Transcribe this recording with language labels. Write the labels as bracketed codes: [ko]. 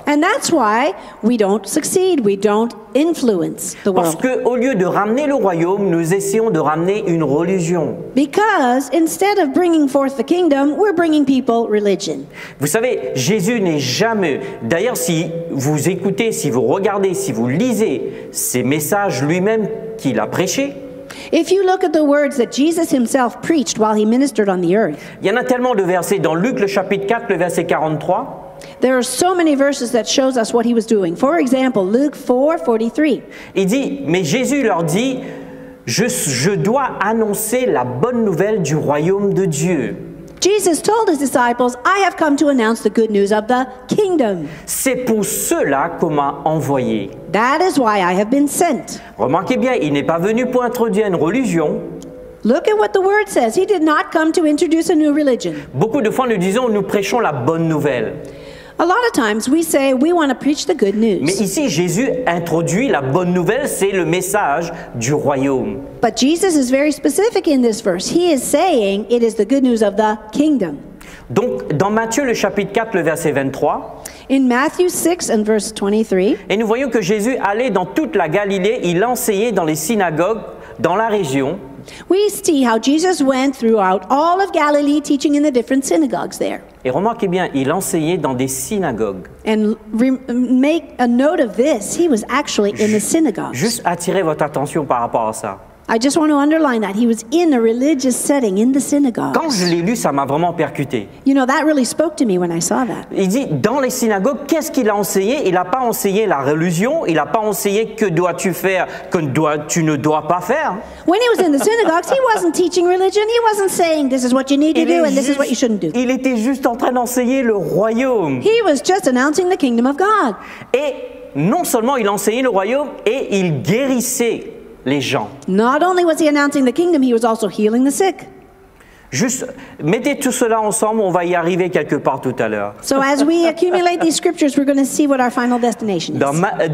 [en] And that's why we don't succeed, we don't influence the world. [fr] Parce que au lieu de ramener le royaume, nous essayons de ramener une religion. [en] Because instead of bringing forth the kingdom, we're bringing people religion. [fr] Vous savez, Jésus n'est jamais. D'ailleurs, si vous écoutez, si vous regardez, si vous lisez ses messages lui-même qu'il a prêché. [en] If you look at the words that Jesus himself preached while he ministered on the earth. [fr] Il y en a tellement de versets dans Luc le chapitre 4 le verset 43. [en] There are so many verses that shows us what he was doing. For example, Luke 4, 43. [fr] Il dit, mais Jésus leur dit, je dois annoncer la bonne nouvelle du royaume de Dieu. [en] Jesus told his disciples, I have come to announce the good news of the kingdom. [fr] C'est pour cela qu'on m'a envoyé. [en] That is why I have been sent. [fr] Remarquez bien, il n'est pas venu pour introduire une religion. [en] Look at what the word says. He did not come to introduce a new religion. [fr] Beaucoup de fois nous disons nous prêchons la bonne nouvelle. [en] A lot of times we say we want to preach the good news. [fr] Mais ici Jésus introduit la bonne nouvelle, c'est le message du royaume. [en] But Jesus is very specific in this verse. He is saying it is the good news of the kingdom. [fr] Donc dans Matthieu le chapitre 4 le verset 23. [en] In Matthew 6 and verse 23. [fr] Et nous voyons que Jésus allait dans toute la Galilée, il enseignait dans les synagogues dans la région. [en] We see how Jesus went throughout all of Galilee teaching in the different synagogues there. [fr] Et remarquez bien, il enseignait dans des synagogues. [en] And make a note of this, he was actually in the synagogues. [fr] Juste attirer votre attention par rapport à ça. [en] I just want to underline that he was in a religious setting in the synagogues. [fr] Quand je l'ai lu, ça m'a vraiment percuté. [en] You know, that really spoke to me when I saw that. [fr] Il dit dans les synagogues, qu'est-ce qu'il a enseigné? Il n'a pas enseigné la religion. Il n'a pas enseigné que dois-tu faire, que tu ne dois pas faire. [en] When he was in the synagogues, he wasn't teaching religion. He wasn't saying this is what you need to do and this is what you shouldn't do. [fr] Il était juste en train d'enseigner le royaume. [en] He was just announcing the kingdom of God. [fr] Et non seulement il enseignait le royaume et il guérissait. Les gens. [en] Not only was he announcing the kingdom, he was also healing the sick. [fr] Juste, mettez tout cela ensemble, on va y arriver quelque part tout à l'heure. [en] So as we accumulate these scriptures, we're going to see what our final destination is.